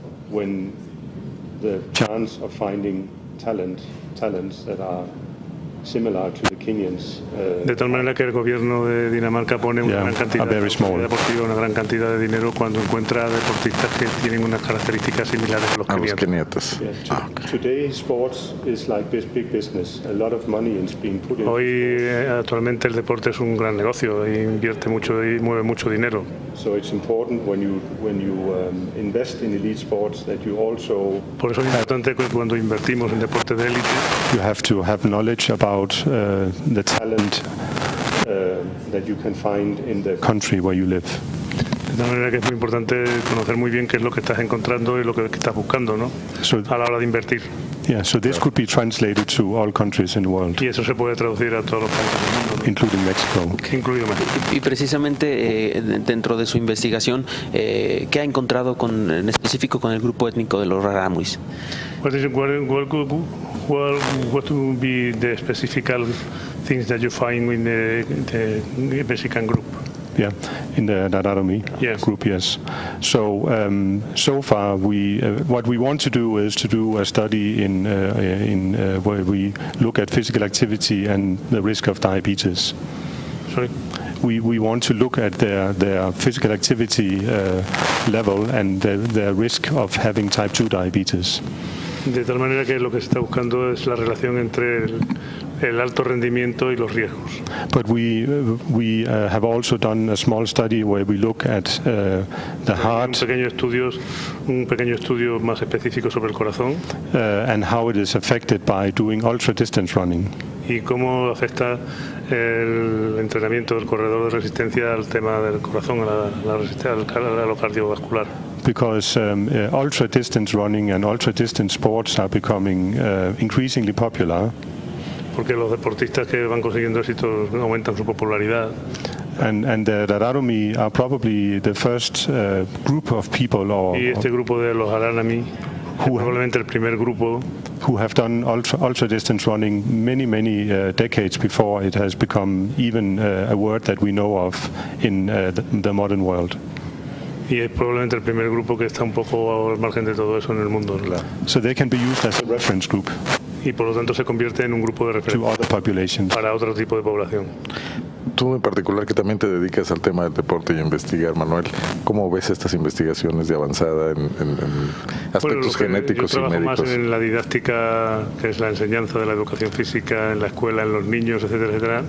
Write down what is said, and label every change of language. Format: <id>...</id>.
<en>When the chance of finding talents that are similar to the Kenyans.</en> <es>De tal manera que el gobierno de Dinamarca pone una gran cantidad de dinero cuando encuentra deportistas que tienen unas características similares a los keniatas.</es> <en>Today sports is like this big business. A lot of money is being put in.</en> <es>Hoy actualmente el deporte es un gran negocio, invierte mucho y mueve mucho dinero.</es> <en>So it's important when you invest in elite sports that you also.</en> <es>Por eso es importante que cuando invertimos en deporte de élite.</es> <en>You have to have knowledge about the talent that you can find in the country where you live.</en> <es>De tal manera que es muy importante conocer muy bien qué es lo que estás encontrando y lo que estás buscando, ¿no? A la hora de invertir.</es> <en>Yeah, so this could be translated to all countries in the world.</en> <es>Y eso se puede traducir a todos los países del mundo,</es> <en>including Mexico.</en> <es>Incluido México. Y precisamente dentro de su investigación, ¿qué ha encontrado en específico con el grupo étnico de los Rarámuris?</es> <en>What would be the specific things that you find in the Mexican group? Yeah, in the Rarámuri group, yes. So so far, what we want to do is to do a study in where we look at physical activity and the risk of diabetes. Sorry. We want to look at their physical activity level and their risk of having type 2 diabetes.</en> <es>De tal manera que lo que se está buscando es la relación entre el alto rendimiento y los riesgos.</es> <en>But we have also done a small study where we look at the heart.</en> <es>Un pequeño estudio más específico sobre el corazón.</es> <en>And how it is affected by doing ultra distance running.</en> <es>Y cómo afecta el entrenamiento del corredor de resistencia al tema del corazón, a lo cardiovascular.</es> <en>Because ultra distance running and ultra distance sports are becoming increasingly popular.</en> <es>Porque los deportistas que van consiguiendo éxitos aumentan su popularidad.</es> <en>And the Rararumi are probably the first group of people.</en> <es>Y este grupo de los Rararumi, probablemente el primer grupo.</es> <en>Who have done ultra distance running many decades before it has become even a word that we know of in the modern world.</en> <es>Y es probablemente el primer grupo que está un poco al margen de todo eso en el mundo.</es> <en>So they can be used as a reference group.</en> <es>Y por lo tanto se convierte en un grupo de referencia para otro tipo de población. Tú en particular, que también te dedicas al tema del deporte y a investigar, Manuel, ¿cómo ves estas investigaciones de avanzada en aspectos genéticos y médicos? Yo trabajo más en la didáctica, que es la enseñanza de la educación física en la escuela, en los niños, etcétera, etcétera.</es>